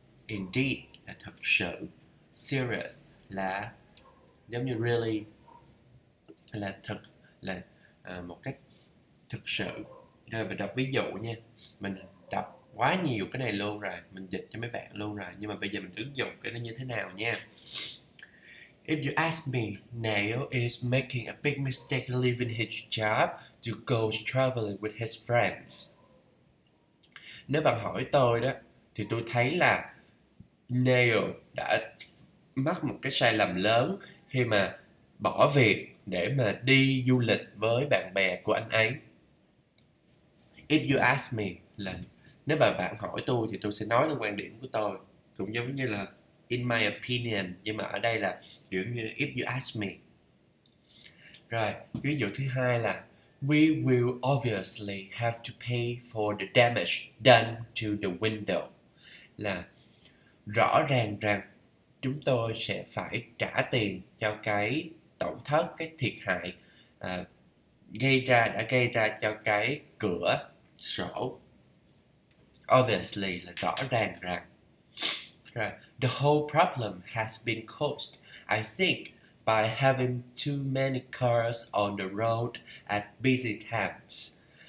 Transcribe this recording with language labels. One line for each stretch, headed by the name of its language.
Vietnamese: Indeed là thật sự. Serious là giống như really, là thật, là một cách thực sự. Rồi mình đọc ví dụ nha. Mình đọc quá nhiều cái này luôn rồi, mình dịch cho mấy bạn luôn rồi, nhưng mà bây giờ mình ứng dụng cái nó như thế nào nha.
English: If you ask me, Neil is making a big mistake leaving his job to go traveling with his friends.
Vietnamese: Nếu bạn hỏi tôi đó, thì tôi thấy là Neil đã mắc một cái sai lầm lớn khi mà bỏ việc để mà đi du lịch với bạn bè của anh ấy.
English: If you ask me,
Vietnamese: là nếu mà bạn hỏi tôi thì tôi sẽ nói lên quan điểm của tôi, cũng giống như là
English: in my opinion,
Vietnamese: nhưng mà ở đây là kiểu như
English: if you ask me.
Vietnamese: Rồi, ví dụ thứ hai là
English: we will obviously have to pay for the damage done to the window.
Vietnamese: Là rõ ràng rằng chúng tôi sẽ phải trả tiền cho cái tổn thất, cái thiệt hại đã gây ra cho cái cửa sổ. Obviously là rõ ràng rằng.
English: Right. The whole problem has been caused, I think, by having too many cars on the road at busy times.